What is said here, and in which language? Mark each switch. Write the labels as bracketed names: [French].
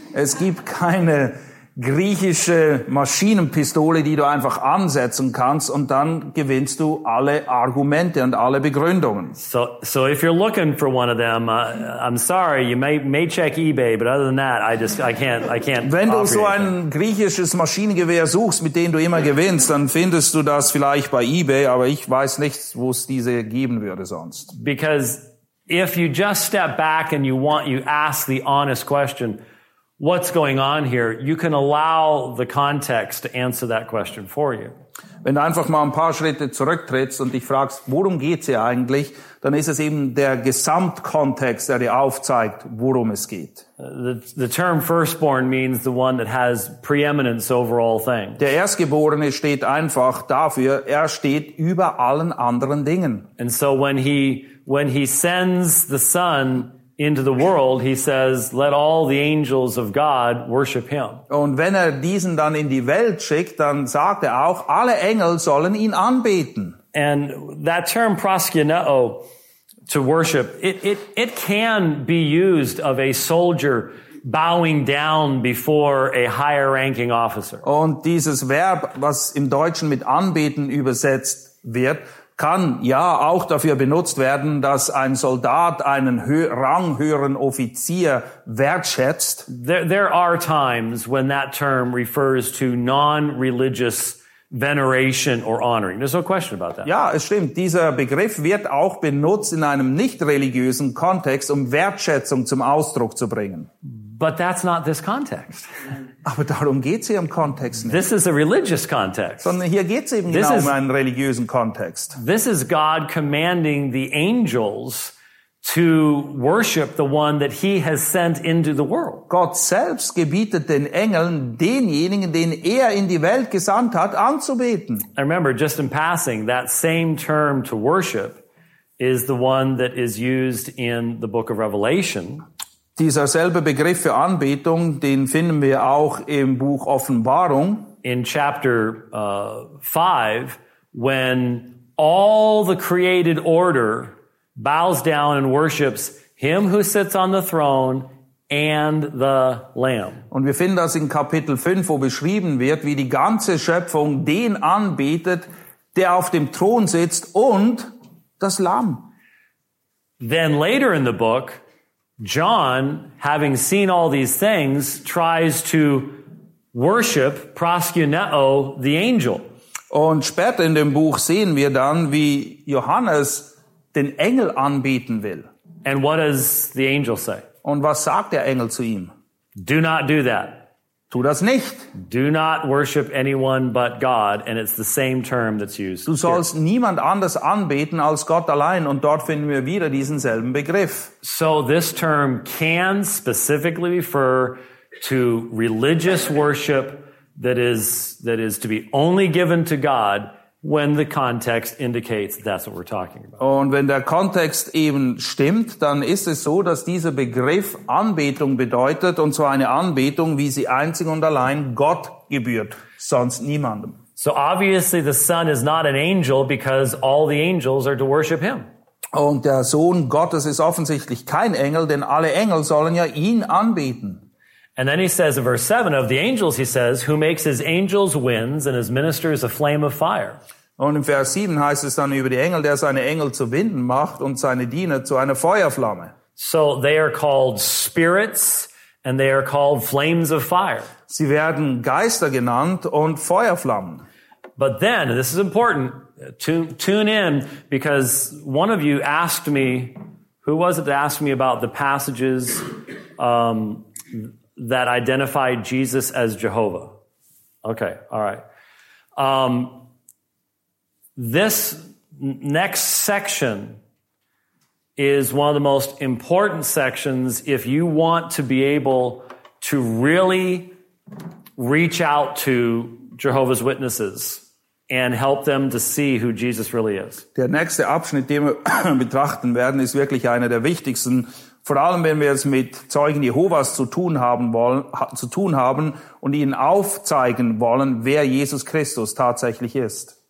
[German] Es gibt keine griechische Maschinenpistole, die du einfach ansetzen kannst und dann gewinnst du alle Argumente und alle Begründungen. [English] So if you're looking for one of them, I'm sorry, you may check eBay, but other than that, I can't. [German] Wenn du so ein griechisches Maschinengewehr suchst, mit dem du immer gewinnst, dann findest du das vielleicht bei eBay, aber ich weiß nicht, wo es diese geben würde sonst. [English] Because if you just step back and you ask the honest question, what's going on here? You can allow the context to answer that question for you. [German] Wenn du einfach mal ein paar Schritte zurücktrittst und dich fragst, worum geht's hier eigentlich, dann ist es eben der Gesamtkontext, der dir aufzeigt, worum es geht. [English] The term firstborn means the one that has preeminence over all things. [German] Der Erstgeborene steht einfach dafür, er steht über allen anderen Dingen. [English] And so when he sends the Son into the world, he says, let all the angels of God worship him. [German] Und wenn er diesen dann in die Welt schickt, dann sagt er auch, alle Engel sollen ihn anbeten. [English] And that term proskuneo, to worship, it can be used of a soldier bowing down before a higher ranking officer. [German] Und dieses Verb, was im Deutschen mit anbeten übersetzt wird, kann ja auch dafür benutzt werden, dass ein Soldat einen ranghöheren Offizier wertschätzt. [English] There are times when that term refers to non-religious veneration or honoring. There's no question about that. [German] Ja, es stimmt. Dieser Begriff wird auch benutzt in einem nicht-religiösen Kontext, um Wertschätzung zum Ausdruck zu bringen. [English] But that's not this context. [German] Aber darum geht's hier im Kontext nicht. [English] This is a religious context. [German] Sondern hier geht's eben [English] this [German] genau [English] is, [German] um einen religiösen Kontext. [English] This is God commanding the angels to worship the one that he has sent into the world. [German] Gott selbst gebietet den Engeln, denjenigen, den er in die Welt gesandt hat, anzubeten. [English] I remember just in passing, that same term to worship is the one that is used in the book of Revelation. [German] Dieser selbe Begriff für Anbetung, den finden wir auch im Buch Offenbarung. [English] In chapter 5, when all the created order bows down and worships him who sits on the throne and the Lamb. [German] Und wir finden das in Kapitel 5, wo beschrieben wird, wie die ganze Schöpfung den anbetet, der auf dem Thron sitzt und das Lamm. [English] Then later in the book, John, having seen all these things, tries to worship proskuneo, the angel. [German] Und später in dem Buch sehen wir dann, wie Johannes den Engel anbeten will. [English] And what does the angel say? [German] Und was sagt der Engel zu ihm? [English] Do not do that. [German] Tu das nicht. [English] Do not worship anyone but God, and it's the same term that's used. [German] Du sollst [English] here. [German] Niemand anders anbeten als Gott allein, und dort finden wir wieder diesen selben Begriff. [English] So this term can specifically refer to religious worship that is to be only given to God when the context indicates that's what we're talking about. [German] Und wenn der Kontext eben stimmt, dann ist es so, dass dieser Begriff Anbetung bedeutet, und zwar eine Anbetung, wie sie einzig und allein Gott gebührt, sonst niemandem. [English] So obviously the Son is not an angel because all the angels are to worship him. [German] Und der Sohn Gottes ist offensichtlich kein Engel, denn alle Engel sollen ja ihn anbeten. [English] And then he says in verse 7, of the angels, he says, who makes his angels winds and his ministers a flame of fire. [German] Und in Vers 7 heißt es dann über die Engel, der seine Engel zu Winden macht und seine Diener zu einer Feuerflamme. [English] So they are called spirits and they are called flames of fire. [German] Sie werden Geister genannt und Feuerflammen. [English] But then, and this is important, tune in, because one of you asked me, who was it that asked me about the passages that identified Jesus as Jehovah. Okay, all right. This next section is one of the most important sections if you want to be able to really reach out to Jehovah's Witnesses and help them to see who Jesus really is. [German] Der nächste Abschnitt, den wir betrachten werden, ist wirklich einer der wichtigsten. Vor allem, wenn wir es mit Zeugen Jehovas zu tun haben und ihnen aufzeigen wollen, wer Jesus Christus tatsächlich ist.